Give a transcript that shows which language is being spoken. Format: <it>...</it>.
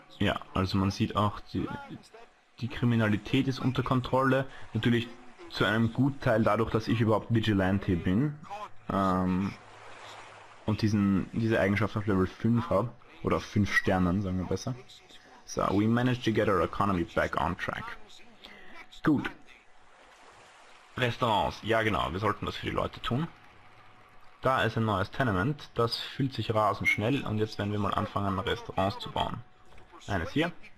<de>Ja, also man sieht auch, die Kriminalität ist unter Kontrolle. Natürlich zu einem Gutteil dadurch, dass ich überhaupt Vigilante bin. Und diese Eigenschaft auf Level 5 habe, oder auf 5 Sternen, sagen wir besser.</de> <en>So, we managed to get our economy back on track.</en> <de>Gut. Restaurants, ja genau, wir sollten das für die Leute tun. Da ist ein neues Tenement, das füllt sich rasend schnell und jetzt werden wir mal anfangen, Restaurants zu bauen. Eines hier.</de>